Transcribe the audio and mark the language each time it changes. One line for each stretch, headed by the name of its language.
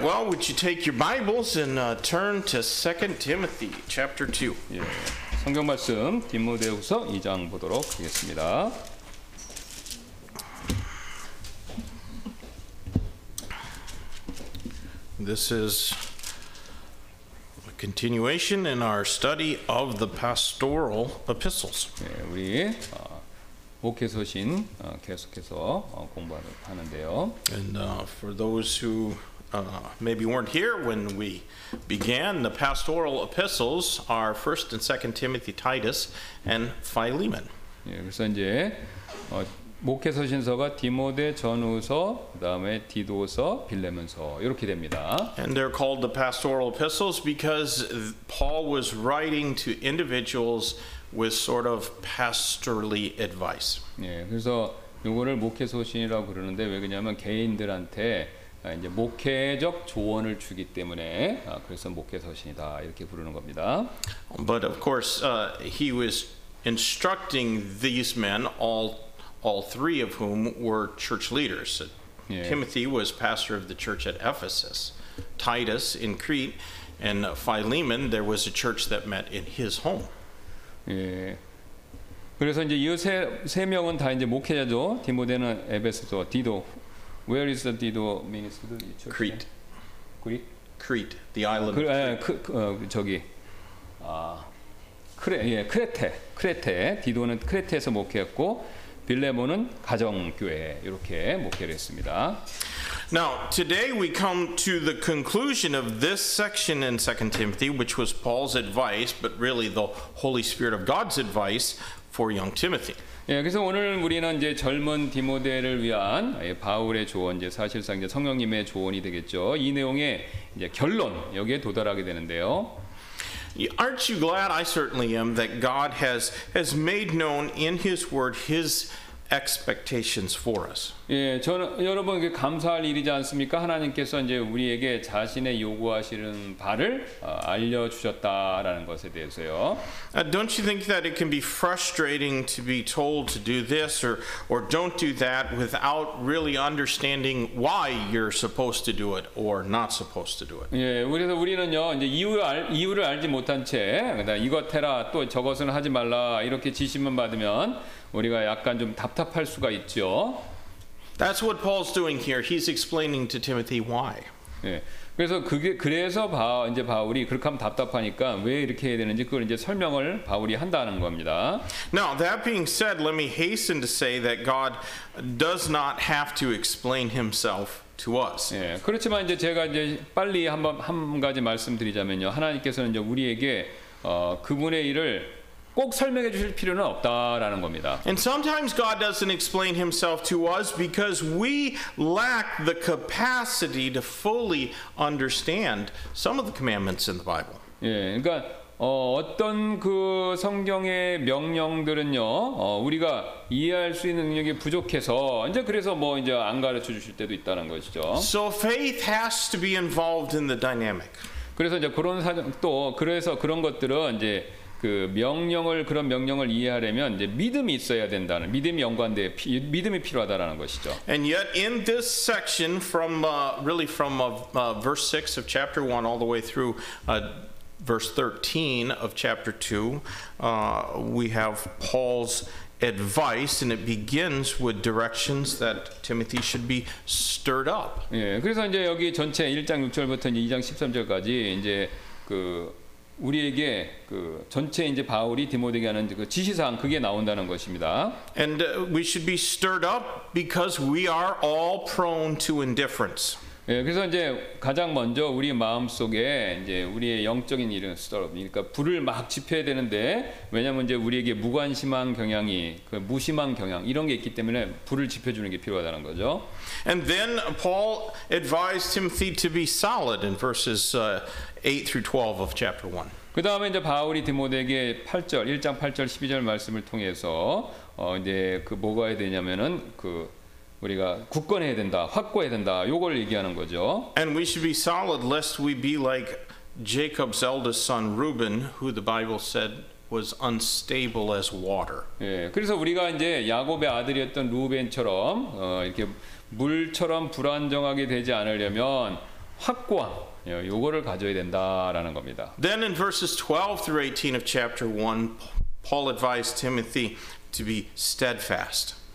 English: Well, would you take your Bibles and turn to 2 Timothy chapter 2.
Korean: 예, 성경 말씀 디모데후서 2장 보도록 하겠습니다.
English: This is a continuation in our study of the pastoral epistles.
Korean: 예, 우리 목회 서신 계속해서 공부를 하는데요.
English: And for those who maybe weren't here when we began, the pastoral epistles are 1st and 2nd Timothy, Titus, and Philemon.
Korean: 예, 그래서 이제 목회 서신서가 디모데 전후서, 그다음에 디도서, 빌레몬서 이렇게 됩니다.
English: And they're called the pastoral epistles because Paul was writing to individuals with sort of pastorly advice.
Korean: 예, 그래서 이거를 목회 서신이라고 그러는데 왜 그러냐면 개인들한테 이제 목회적 조언을 주기 때문에 그래서 목회 서신이다 이렇게 부르는 겁니다.
English: But of course, he was instructing these men, all three of whom were church leaders. Timothy was pastor of the church at Ephesus, Titus in Crete, and Philemon. There was a church that met in his home.
Korean: 예. 그래서 이제 이 세 명은 다 이제 목회자죠. 디모데는 에베소, 디도.
English: Where is the Dido minister? Crete. Crete, the island.
Korean: 저기 크레테. 크레테. 디도는 크레테에서 목회했고 빌레몬은 가정교회 이렇게 목회를 했습니다.
English: Now, today we come to the conclusion of this section in 2 Timothy, which was Paul's advice, but really the Holy Spirit of God's advice for young Timothy.
Korean: 예, 그래서 오늘 우리는 이제 젊은 디모데를 위한 바울의 조언, 이제 사실상 이제 성령님의 조언이 되겠죠. 이 내용의 이제 결론 여기에 도달하게 되는데요.
English: Aren't you glad? I certainly am that God has made known in His Word His expectations for us.
Korean: 예, 저는 여러분 감사할 일이지 않습니까? 하나님께서 이제 우리에게 자신의 요구하시는 바를 알려 주셨다라는 것에 대해서요.
English: Don't you think that it can be frustrating to be told to do this or don't do that without really understanding why you're supposed to do it or not supposed to do it?
Korean: 예, 그래서 우리는요 이제 이유를 알지 못한 채 이것 해라 또 저것은 하지 말라 이렇게 지시만 받으면 우리가 약간 좀 답답할 수가 있죠.
English: That's what Paul's doing here. He's explaining to Timothy why.
Korean: 예. 그래서 그래서 이제 바울이 그렇게 하면 답답하니까 왜 이렇게 해야 되는지 그걸 이제 설명을 바울이 한다는 겁니다.
English: Now, that being said, let me hasten to say that God does not have to explain himself to us.
Korean: 예. 그렇지만 이제 제가 이제 빨리 한 가지 말씀드리자면요. 하나님께서는 이제 우리에게 그분의 일을 꼭 설명해 주실 필요는 없다라는 겁니다.
English: And sometimes God doesn't explain himself to us because we lack the capacity to fully understand some of the commandments in the Bible.
Korean: 예, 그러니까 어떤 그 성경의 명령들은요. 우리가 이해할 수 있는 능력이 부족해서 이제 그래서 뭐 이제 안 가르쳐 주실 때도 있다는 것이죠.
English: So faith has to be involved in the dynamic.
Korean: 그래서 이제 그런 사정 또 그래서 그런 것들은 이제 그 명령을 그런 명령을 이해하려면 이제 믿음이 있어야 된다는 믿음이 연관돼 믿음이 필요하다라는 것이죠.
English: And yet in this section from really from verse 6 of chapter 1 all the way through verse 13 of chapter 2 we have Paul's advice and it begins with directions that Timothy should be stirred up.
Korean: 예. 그래서 이제 여기 전체 1장 6절부터 2장 13절까지 이제 그 우리에게 그 전체 이제 바울이 디모데에게 하는 그 지시사항 그게 나온다는 것입니다.
English: And we should be stirred up because we are all prone to indifference.
Korean: 예, 그래서 이제 가장 먼저 우리 마음 속에 이제 우리의 영적인 일은 그러니까 불을 막 지펴야 되는데 왜냐면 이제 우리에게 무관심한 경향이 그 무심한 경향 이런 게 있기 때문에 불을 지펴주는 게 필요하다는 거죠.
English: And then Paul advised Timothy to be solid in verses 8 through 12 of chapter 1.
Korean: 그다음에 이제 바울이 디모데에게 8절, 1장 8절, 12절 말씀을 통해서 이제 그 뭐가 해야 되냐면은 그 우리가 굳건해야 된다, 확고해야 된다. 요걸 얘기하는 거죠.
English: And we should be solid lest we be like Jacob's eldest son Reuben who the Bible said was unstable as water.
Korean: 예. 그래서 우리가 이제 야곱의 아들이었던 루벤처럼 이렇게 물처럼 불안정하게 되지 않으려면 확고함, 요거를 가져야 된다라는 겁니다.
English: Then in verses 12 through 18 of chapter 1, Paul advised Timothy to be steadfast.